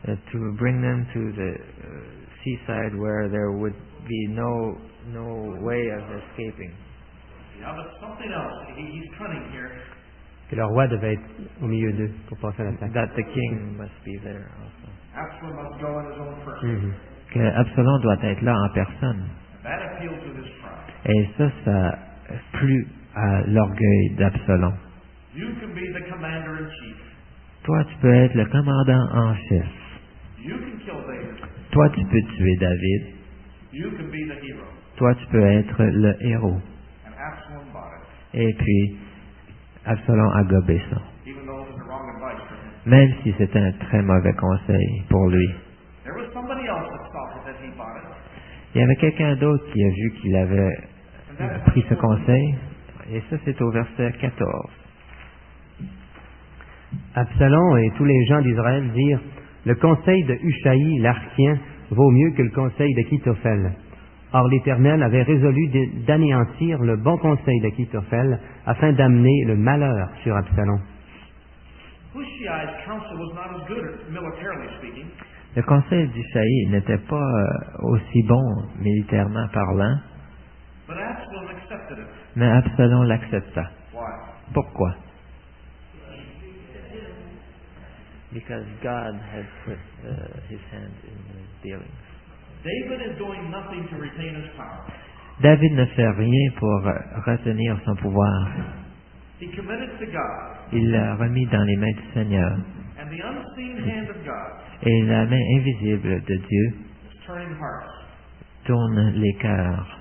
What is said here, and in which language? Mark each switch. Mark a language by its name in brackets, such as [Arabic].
[English] To bring them to the seaside where there would be no way of escaping. Yeah, but something else. He's cunning here. [French] Que le roi devait être au milieu d'eux pour passer l'attaque. [English] That the king must be there also. Absalom must go on his own first. [French] Mm-hmm. Que Absalom doit être là en personne. [English] That appeals to his pride. [French] Et ça plus à l'orgueil d'Absalom. [English] You can be the commander in chief. [French] Toi, tu peux être le commandant en chef. [English] You can kill David. [French] Toi, tu peux tuer David. [English] You can be the hero. [French] Toi, tu peux être le héros. [English] And Absalom bought it. [French] Et puis, Absalom a gobé ça. [English] Even though it was the wrong advice for him. [French] Même si c'était un très mauvais conseil pour lui. [English] There was somebody else that saw that he bought it. [French] Il y avait quelqu'un d'autre qui a vu qu'il avait pris ce conseil. Et ça, c'est au verset 14. Absalom et tous les gens d'Israël dirent, le conseil de Hushai, l'Archien, vaut mieux que le conseil d'Achitophel. Or l'Éternel avait résolu d'anéantir le bon conseil d'Achitophel afin d'amener le malheur sur Absalom. [English] Hushai's counsel was not as good, militarily speaking. [French] Le conseil d'Hushai n'était pas aussi bon militairement parlant, [English] but Absalom accepted it. [French] Mais Absalom l'accepta. [English] Why? [French] Pourquoi? [English] Because God has put his hand in the dealings. David is doing nothing to retain his power. [French] David ne fait rien pour retenir son pouvoir. [English] He committed to God. [French] Il l'a remis dans les mains du Seigneur. [English] And the unseen hand of God. [French] Et la main invisible de Dieu [English] is turning hearts. [French] Tourne les cœurs.